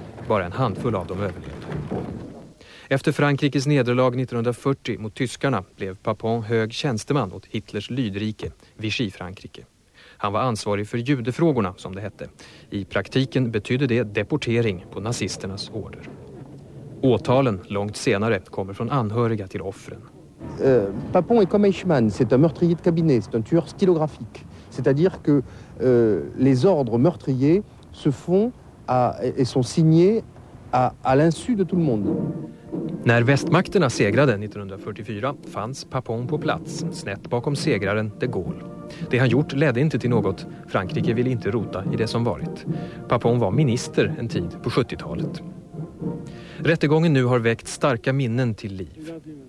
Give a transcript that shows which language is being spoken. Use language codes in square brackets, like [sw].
[sv] Bara en handfull av dem överlevde. Efter Frankrikes nederlag 1940 mot tyskarna blev Papon hög tjänsteman åt Hitlers lydrike, Vichy Frankrike. Han var ansvarig för judefrågorna, som det hette. I praktiken betydde det deportering på nazisternas order. Åtalen långt senare kommer från anhöriga till offren. [fr] Papon est comme Eichmann, c'est un meurtrier de cabinet, c'est un tueur stylographique. C'est-à-dire que les ordres meurtriers se font à, et sont signés à l'insu de tout le monde. [sv] När västmakterna segrade 1944 fanns Papon på plats, snett bakom segraren de Gaulle. Det han gjort ledde inte till något. Frankrike ville inte rota i det som varit. Papon var minister en tid på 70-talet. Rättegången nu har väckt starka minnen till liv.